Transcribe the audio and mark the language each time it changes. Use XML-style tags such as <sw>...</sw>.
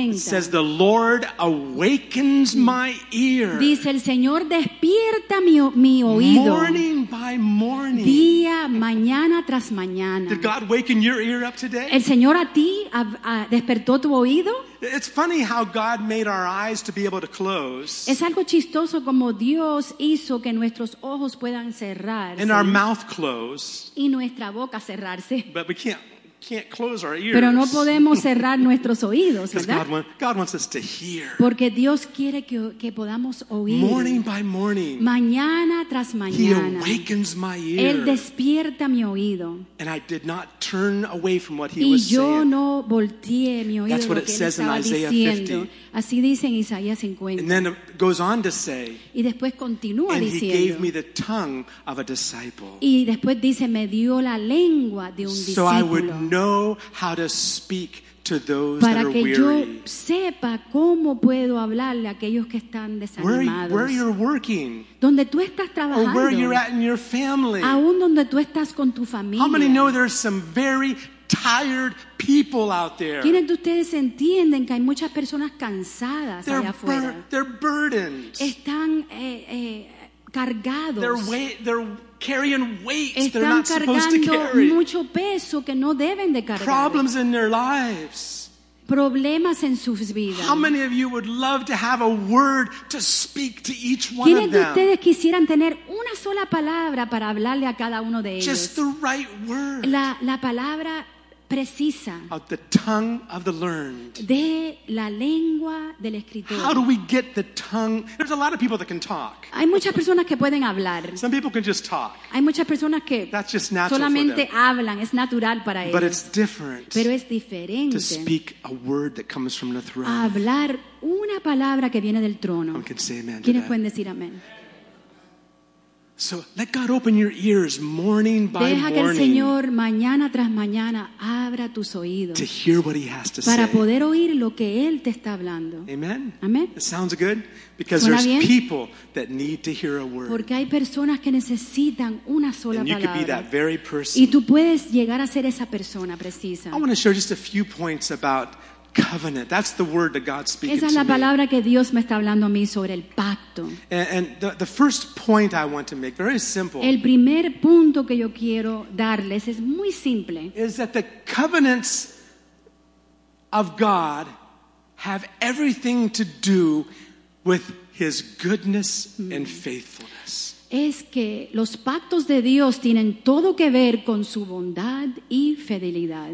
<en>It says, the Lord awakens my ear.</en> <es>Dice, el Señor despierta mi oído.</es> <en>Morning by morning.</en> <es>Día, mañana tras mañana.</es> <en>Did God waken your ear up today?</en> <es>El Señor a ti despertó tu oído.</es> <en>It's funny how God made our eyes to be able to close.</en> <es>Es algo chistoso como Dios hizo que nuestros ojos puedan cerrarse.</es> <en>And our mouth close.</en> <es>Y nuestra boca cerrarse.</es> <en>But we can't close our ears.</en> <es>Pero no podemos cerrar nuestros oídos, ¿verdad?</es> <en>Because God wants us to hear.</en> <es>Porque Dios quiere que podamos oír.</es> <en>Morning by morning.</en> <es>Mañana tras mañana.</es> <en>He awakens my ear.</en> <es>Él despierta mi oído.</es> <en>And I did not turn away from what he</en> <es>y</es> <en>was saying.</en> <es>Y yo no volteé mi oído.</es> <en>That's what</en> <es>de lo</es> <en>it</en> <es>que</es> <en>says in Isaiah</en> <es>50. Así dice en Isaías 50.</es> <en>And then it goes on to say.</en> <es>Y después continúa</es> <en>and And he gave me the tongue of a disciple.</en> <es>Y después dice me dio la lengua de un discípulo.</es> <en>So I would know how to speak to those</en> <es>para</es> <en>that are</en> <es>que</es> <en>weary.</en> <es>Yo sepa cómo puedo hablarle a aquellos que están desanimados.</es> <en>Where you're working.</en> <es>Donde tú estás trabajando.</es> <en>Or where you're at in your family.</en> <es>Aún donde tú estás con tu familia.</es> <en>How many know there's some very tired people out there.</en> <es>¿Quiénes de ustedes entienden que hay muchas personas cansadas</es> <en>they're</en> <es>allá afuera?</es> <en>They're burdened.</en> <es>Están cargados.</es> <en>They're carrying weights</en> <es>están</es> <en>they're not</en> <es>cargando</es> <en>supposed to carry.</en> <es>Mucho peso que no deben de cargar.</es> <en>Problems in their lives.</en> <es>Problemas en sus vidas.</es> <en>How many of you would love to have a word to speak to each one of them?</en> <es>¿Quiénes de ustedes quisieran tener una sola palabra para hablarle a cada uno de ellos?</es> <en>Just the right word.</en> <es>La palabra precisa.</es> <en>Of the tongue of the learned.</en> <es>De la lengua del escritor.</es> <en>How do we get the tongue? There's a lot of people that can talk.</en> <es>Hay muchas personas que pueden hablar.</es> <en>Some people can just talk.</en> <es>Hay muchas personas que</es> <en>that's just natural</en> <es>solamente</es> <en>for them.</en> <es>Hablan. Es natural para</es> <en>but It's different.</en> <es>Pero es diferente.</es> <en>To speak a word that comes from the throne.</en> <es>Hablar una palabra que viene del trono.</es> <en>I can say amen.</en> <es>¿Quiénes pueden decir amén?</es> <en>So let God open your ears morning by morning.</en> <es>Deja que el Señor mañana tras mañana abra tus oídos.</es> <en>To hear what he has to say.</en> <es>Para poder oír lo que él te está hablando. Amen. Amen.</es> <en>It sounds good because there's people that need to hear a word.</en> <es>Porque hay personas que necesitan una sola palabra.</es> <en>And you could be that very person.</en> <es>Y tú puedes llegar a ser esa persona precisa.</es> <en>I want to share just a few points about covenant. That's the word that God speaks.</en> <es>Esa es la palabra que Dios me está hablando a mí sobre el pacto.</es> <en>And the first point I want to make, very simple.</en> <es>El primer punto que yo quiero darles es muy simple.</es> <en>Is that the covenants of God have everything to do with His goodness and faithfulness.</en> <es>Es que los pactos de Dios tienen todo que ver con su bondad y fidelidad.</es>